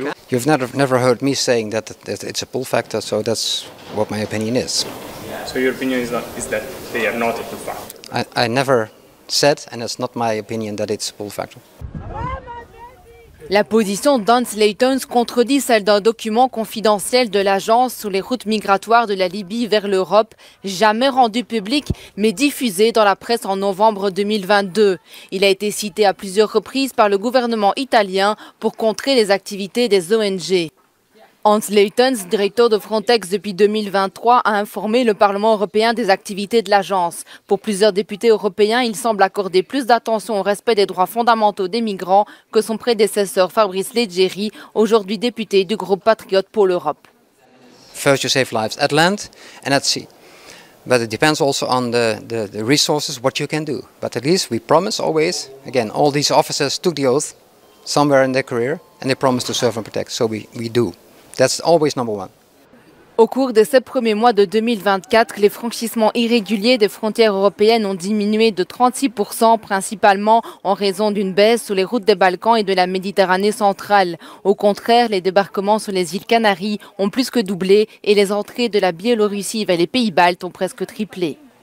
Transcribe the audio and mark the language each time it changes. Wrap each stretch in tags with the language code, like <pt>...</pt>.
<en>You've never heard me saying that it's a pull factor, so that's what my opinion is. So your opinion is that they are not a pull factor. I never said, and it's not my opinion that it's a pull factor.</en> <fr>La position d'Hans Leitens contredit celle d'un document confidentiel de l'agence sur les routes migratoires de la Libye vers l'Europe, jamais rendu public, mais diffusé dans la presse en novembre 2022. Il a été cité à plusieurs reprises par le gouvernement italien pour contrer les activités des ONG. Hans Leitens, directeur de Frontex depuis 2023, a informé le Parlement européen des activités de l'agence. Pour plusieurs députés européens, il semble accorder plus d'attention au respect des droits fondamentaux des migrants que son prédécesseur Fabrice Leggeri, aujourd'hui député du groupe Patriote pour l'Europe.</fr> <en>First, you save lives at land and at sea. But it depends also on the resources, what you can do. But at least we promise always, again, all these officers took the oath somewhere in their career and they promised to serve and protect. So we do. That's always number one.</en> <fr>Au cours des 7 premiers mois de 2024, les franchissements irréguliers des frontières européennes ont diminué de 36%, principalement en raison d'une baisse sur les routes des Balkans et de la Méditerranée centrale. Au contraire, les débarquements sur les îles Canaries ont plus que doublé et les entrées de la Biélorussie vers les Pays-Baltes ont presque triplé.</fr>